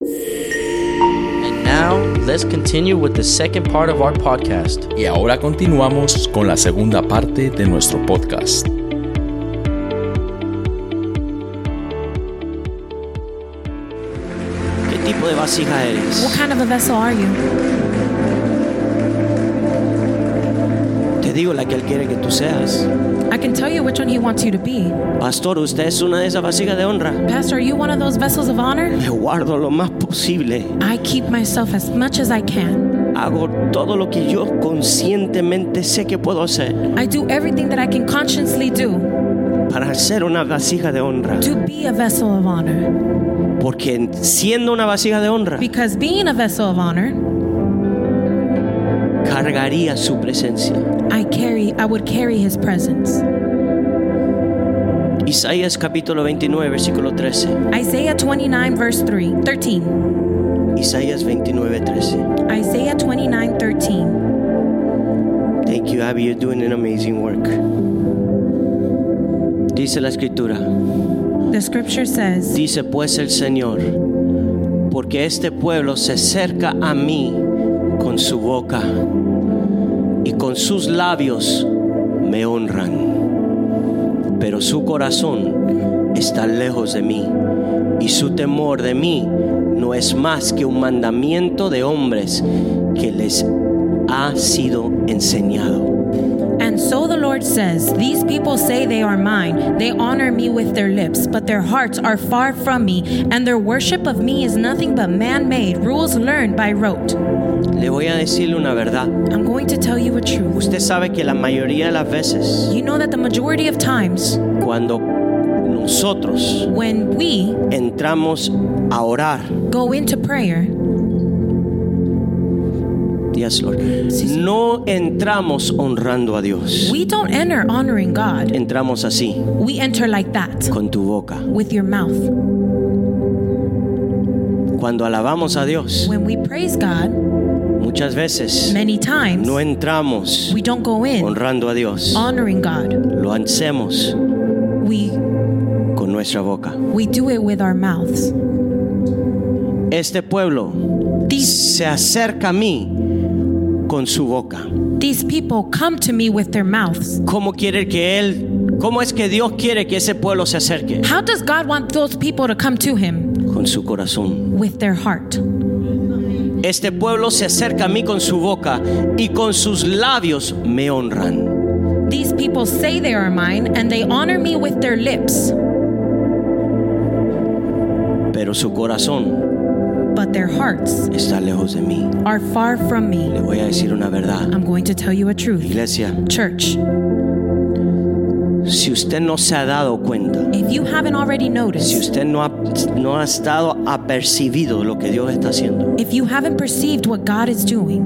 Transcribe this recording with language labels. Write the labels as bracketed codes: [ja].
[en] now, let's continue with the second part of our podcast. [es] Y ahora continuamos con la segunda parte de nuestro podcast. ¿Qué tipo de vasija eres? [en] What kind of a vessel are you? [es] Te digo la que él quiere que tú seas. [en] I can tell you which one he wants you to be. [es] Pastor, usted es una de esas vasijas de honra. [en] Pastor, are you one of those vessels of honor? [es] Me guardo lo más posible. [en] I keep myself as much as I can. [es] Hago todo lo que yo conscientemente sé que puedo hacer. [en] I do everything that I can consciously do. [es] Para ser una vasija de honra. [en] To be a vessel of honor. [es] Porque siendo una vasija de honra. [en] Because being a vessel of honor. [es] Cargaría su presencia. [en] I would carry his presence. [es] Isaías capítulo 29 versículo 13. [en] Isaiah 29 verse 13. [es] Isaías 29:13. [en] Isaiah 29:13. Thank you, Abby. You're doing an amazing work. [es] Dice la escritura. [en] The scripture says. [es] Dice pues el Señor, porque este pueblo se acerca a mí con su boca. Y con sus labios me honran, pero su corazón está lejos de mí, y su temor de mí no es más que un mandamiento de hombres que les ha sido enseñado. [en] And so the Lord says, these people say they are mine, they honor me with their lips, but their hearts are far from me, and their worship of me is nothing but man-made, rules learned by rote. [es] Le voy a decirle una verdad. [en] I'm going to tell you a truth. [es] Usted sabe que la mayoría de las veces, [en] you know that the majority of times, [es] cuando nosotros, [en] when we [es] entramos a orar, [en] go into prayer, yes, Lord. [es] No entramos honrando a Dios. [en] We don't enter honoring God. [es] Entramos así. [en] We enter like that. [es] Con tu boca. [en] With your mouth. [es] Cuando alabamos a Dios. [en] When we praise God. [es] Muchas veces. [en] Many times. [es] No entramos. [en] We don't go in. [es] Honrando a Dios. [en] Honoring God. [es] Lo hacemos. [en] We. [es] Con nuestra boca. [en] We do it with our mouths. [es] Este pueblo. Se acerca a mí. Con su boca. [en] These people come to me with their mouths. [es] ¿Cómo quiere que él, cómo es que Dios quiere que ese pueblo se acerque? [en] How does God want those people to come to him? [es] Con su corazón. [en] With their heart. [es] Este pueblo se acerca a mí con su boca y con sus labios me honran. [en] These people say they are mine and they honor me with their lips. [es] Pero su corazón. [en] But their hearts [es] está lejos de mí. [en] Are far from me. [es] Le voy a decir una verdad. [en] I'm going to tell you a truth. [es] Iglesia, [en] church. [es] Si usted no se ha dado cuenta, [en] if you haven't already noticed, [es] si usted no ha estado apercibido lo que Dios está haciendo, [en] if you haven't perceived what God is doing,